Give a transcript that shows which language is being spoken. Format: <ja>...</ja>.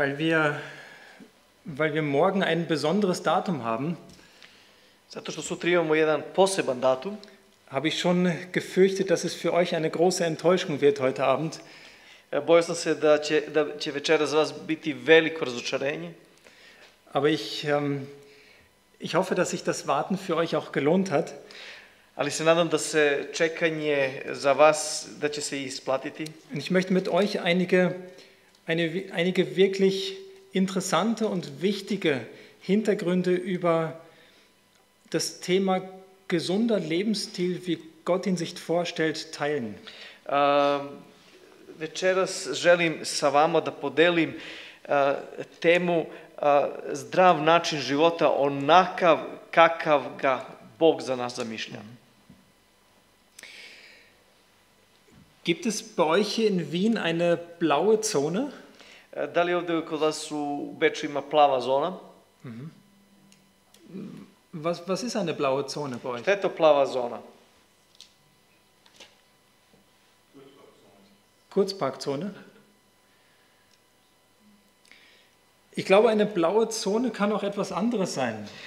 <de>Weil wir morgen ein besonderes Datum haben.</de> <sr>Zato što sutra imamo jedan poseban datum.</sr> <de>Habe ich schon gefürchtet, dass es für euch eine große Enttäuschung wird heute Abend.</de> <sr>Bojao sam se da će večeras vas biti veliko razočarenje.</sr> <de>Aber ich hoffe, dass sich das Warten für euch auch gelohnt hat.</de> <sr>Ali se nadam da se čekanje za vas da će se isplatiti.</sr> <de>Und ich möchte mit euch einige wirklich interessante und wichtige Hintergründe über das Thema gesunder Lebensstil, wie Gott ihn sich vorstellt, teilen.</de> <sr>Večeras želim sa vama da podelim temu zdrav način života onakav kakav ga Bog za nas zamišlja.</sr> <de>Gibt es bei euch in Wien eine blaue Zone?</de> <sr>Da li ovde kod vas u Beču ima plava zona? Mhm.</sr> <de>Was ist eine blaue Zone bei euch?</de> <sr>Šta je to plava zona?</sr> <de>Kurzparkzone. Ich glaube, eine blaue Zone kann auch etwas anderes sein.</de>